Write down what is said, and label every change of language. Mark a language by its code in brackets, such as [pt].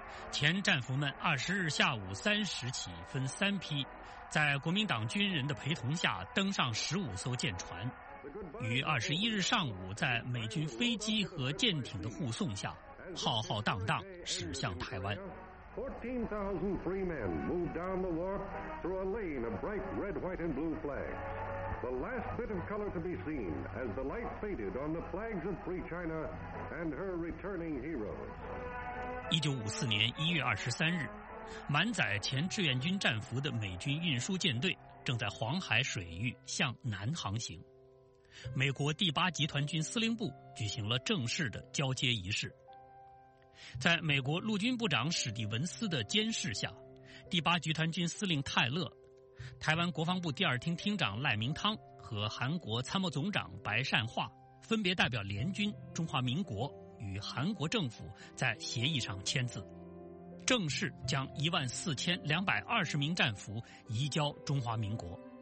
[zh] 前战俘们20日下午3时起分3批，在国民党军人的陪同下登上15艘舰船，于21日上午在美军飞机和舰艇的护送下，浩浩荡荡驶向台湾。 [en] 14,000 free men moved down the wharf through a lane of bright red, white, and blue flag. The last bit of color to be seen as the light faded on the flags of free China and her returning heroes. [zh] 1954年1月23日，满载前志愿军战俘的美军运输舰队正在黄海水域向南航行。美国第八集团军司令部举行了正式的交接仪式。在美国陆军部长史蒂文斯的监视下，第八集团军司令泰勒、台湾国防部第二厅厅长赖明汤和韩国参谋总长白善化分别代表联军、中华民国与韩国政府在协议上签字，正式将14220名战俘移交中华民国。